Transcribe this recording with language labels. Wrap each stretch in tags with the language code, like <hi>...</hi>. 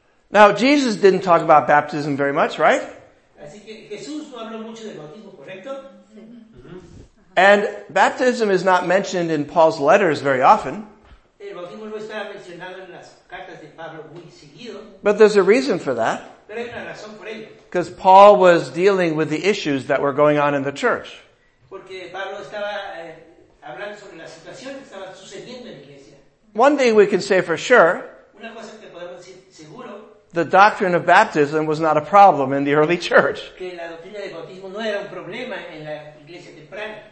<en>Now, Jesus didn't talk about baptism very much, right?</en> <es>Así que Jesús no habló mucho del bautismo, ¿correcto?</es> <en>And baptism is not mentioned in Paul's letters very often.</en> <es>El bautismo no está mencionado en las cartas de Pablo muy seguido.</es> <en>But there's a reason for that.</en> <es>Pero hay una razón por ello.</es> <en>Because Paul was dealing with the issues that were going on in the church.</en> <es>Porque Pablo estaba hablando sobre la situación que estaba sucediendo en la iglesia.</es> <en>One thing we can say for sure.</en> <es>Una cosa que podemos decir seguro.</es> <en>The doctrine of baptism was not a problem in the early church.</en> <es>Que la doctrina de bautismo no era un problema en la iglesia temprana.</es>